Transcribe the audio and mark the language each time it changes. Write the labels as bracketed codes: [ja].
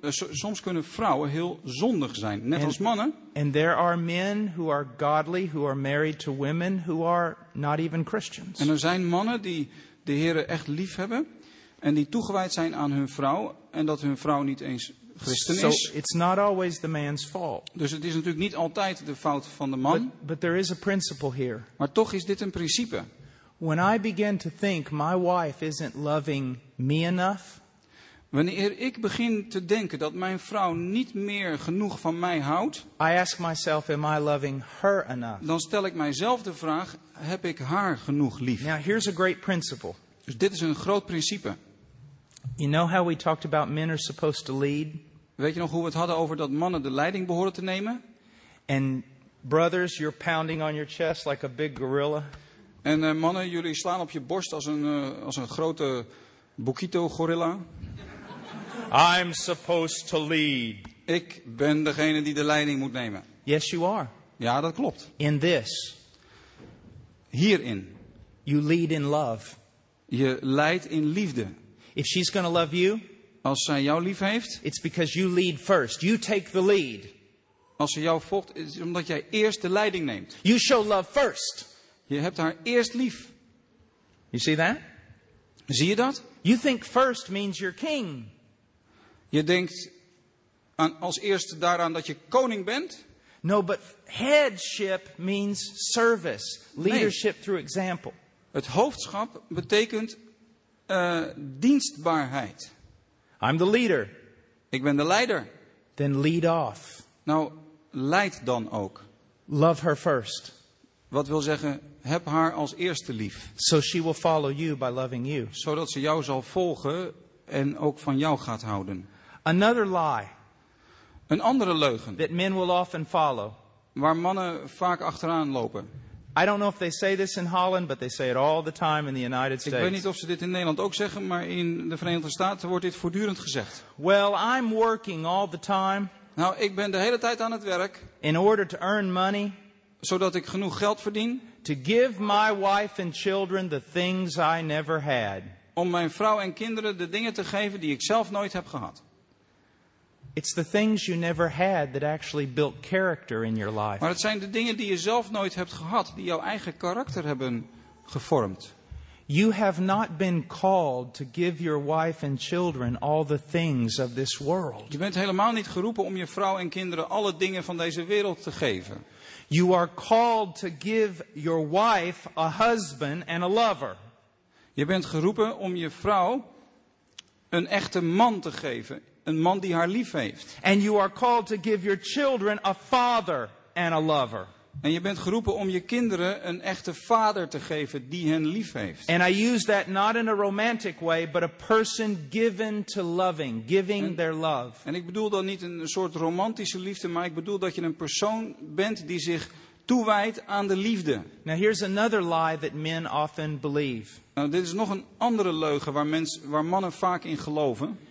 [nl] Soms kunnen vrouwen heel zondig zijn, net als mannen. [en] And there are men who are godly, who are married to women who are not even Christians. [nl] En er zijn mannen die de Heere echt lief hebben en die toegewijd zijn aan hun vrouw en dat hun vrouw niet eens Christen is. [en] So it's not always the man's fault. [nl] Dus het is natuurlijk niet altijd de fout van de man. [en] But there is a principle here. [nl] Maar toch is dit een principe. [en] When I begin to think my wife isn't loving me enough, [nl] wanneer ik begin te denken dat mijn vrouw niet meer genoeg van mij houdt, [en] I ask myself, am I loving her enough? [nl] Dan stel ik mijzelf de vraag, heb ik haar genoeg lief? [en] Now here's a great principle. [nl] Dus dit is een groot principe. [en] You know how we talked about men are supposed to lead? [nl] Weet je nog hoe we het hadden over dat mannen de leiding behoren te nemen? [en] And brothers, you're pounding on your chest like a big gorilla. [nl] En mannen, jullie slaan op je borst als een grote boekito-gorilla. [en] I'm supposed to lead. [nl] Ik ben degene die de leiding moet nemen. [en] Yes, you are. [nl] Ja, dat klopt. [en] In this. [nl] Hierin. [en] You lead in love. [nl] Je leidt in liefde. [en] If she's gonna love you, [nl] als zij jou lief heeft, [en] it's because you lead first. You take the lead. [nl] Als ze jou volgt, is omdat jij eerst de leiding neemt. [en] You show love first. [nl] Je hebt haar eerst lief. [en] You see that? [nl] Zie je dat? [en] You think first means you're king. [nl] Je denkt als eerste daaraan dat je koning bent. [en] No, but headship means service, leadership through example. [nl] Het hoofdschap betekent dienstbaarheid. [en] I'm the leader. [nl] Ik ben de leider. [en] Then lead off. [nl] Nou, leid dan ook. [en] Love her first. [nl] Wat wil zeggen, heb haar als eerste lief. [en] So she will follow you by loving you. [nl] Zodat ze jou zal volgen en ook van jou gaat houden. [en] Another lie. [nl] Een andere leugen. [en] That men will often follow. [nl] Waar mannen vaak achteraan lopen. [en] I don't know if they say this in Holland, but they say it all the time in the United States. [nl] Ik weet niet of ze dit in Nederland ook zeggen, maar in de Verenigde Staten wordt dit voortdurend gezegd. [en] Well, I'm working all the time. [nl] Nou, ik ben de hele tijd aan het werk. [en] In order to earn money. [nl] Zodat ik genoeg geld verdien. [en] To give my wife and children the things I never had. [nl] Om mijn vrouw en kinderen de dingen te geven die ik zelf nooit heb gehad. [en] It's the things you never had that actually built character in your life. [nl] Maar het zijn de dingen die je zelf nooit hebt gehad, die jouw eigen karakter hebben gevormd. [en] You have not been called to give your wife and children all the things of this world. [nl] Je bent helemaal niet geroepen om je vrouw en kinderen alle dingen van deze wereld te geven. [en] You are called to give your wife a husband and a lover. [nl] Je bent geroepen om je vrouw een echte man te geven, een man die haar lief heeft. [en] And you are called to give your children a father and a lover. [nl] En je bent geroepen om je kinderen een echte vader te geven die hen lief heeft. [en] And I use that not in a romantic way, but a person given to loving, giving their love. [nl] En ik bedoel dan niet een soort romantische liefde, maar ik bedoel dat je een persoon bent die zich toewijdt aan de liefde. [en] Now here's another lie that men often believe. [nl] Nou, dit is nog een andere leugen waar mannen vaak in geloven.